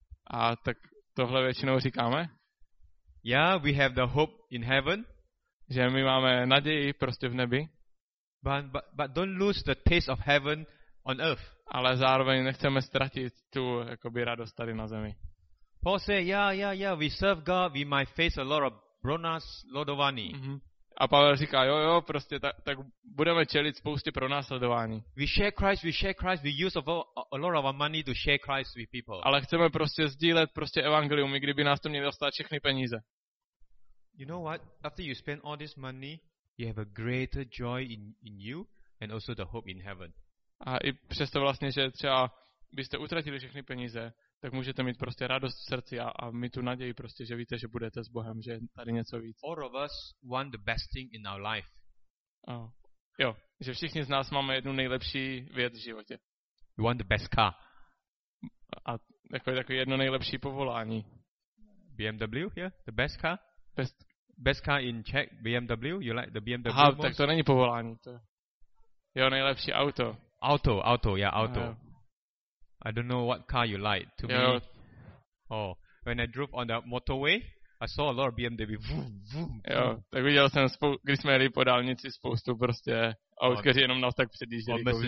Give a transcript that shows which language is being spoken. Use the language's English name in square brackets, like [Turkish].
[Czech] A tak tohle většinou říkáme. [English] Yeah, we have the hope in heaven. [Czech] Že my máme naději prostě v nebi. [English] But don't lose the taste of heaven on earth. [Czech] Ale zároveň nechceme ztratit tu jakoby radost tady na zemi. [English] Paul say, yeah, we serve God, we might face a lot of [Czech] bronas lodovaní. [English] Mm-hmm. [Czech] A Pavel říká, jo, prostě tak budeme čelit spoustě pronásledování. [English] We share Christ, we use a lot of our money to share Christ with people. [Czech] Ale chceme prostě sdílet prostě evangelium, i kdyby nás to měli dostat všechny peníze. [English] You know what? After you spend all this money, you have a greater joy in you and also the hope in heaven. [Czech] A i přesto vlastně, že třeba byste utratili všechny peníze, tak můžete mít prostě radost v srdci a mít tu naději prostě, že víte, že budete s Bohem, že tady něco víc. [English] All of us want the best thing in our life. [Czech] Jo, že všichni z nás máme jednu nejlepší věc v životě. [English] You want the best car. [Czech] A Takové jedno nejlepší povolání. [English] BMW, yeah? The best car? Best car in Czech, BMW? You like the BMW? [Czech] Aha, tak to není povolání. To. Jo, nejlepší auto. Auto. [English] I don't know what car you like. To me, when I drove on the motorway, I saw a lot of BMW. Vroom. [Czech] Jo, tak viděl jsem, když jsme jeli po dálnici, spoustu prostě aut, kteří jenom nás tak předjížděli.